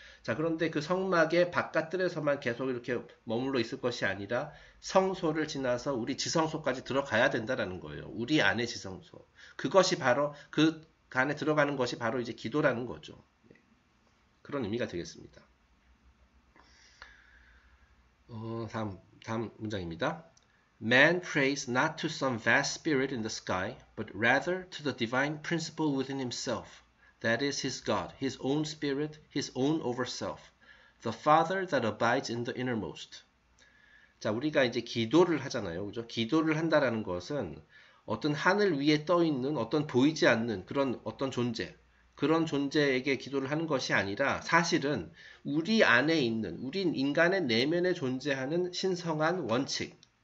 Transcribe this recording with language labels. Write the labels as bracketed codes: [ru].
[ko] 자 그런데 그 성막의 바깥들에서만 계속 이렇게 머물러 있을 것이 아니라 성소를 지나서 우리 지성소까지 들어가야 된다라는 거예요. 우리 안의 지성소. 그것이 바로 그 그 안에 들어가는 것이 바로 이제 기도라는 거죠. 그런 의미가 되겠습니다. 다음 문장입니다. [en] Man prays not to some vast spirit in the sky, but rather to the divine principle within himself. That is his God, his own spirit, his own over self, the Father that abides in the innermost. [ko] 자, 우리가 이제 기도를 하잖아요. 그죠? 기도를 한다라는 것은 어떤 하늘 위에 떠 있는 어떤 보이지 않는 그런 어떤 존재, 그런 존재에게 기도를 하는 것이 아니라 사실은 우리 안에 있는, 우린 인간의 내면에 존재하는 신성한 원칙.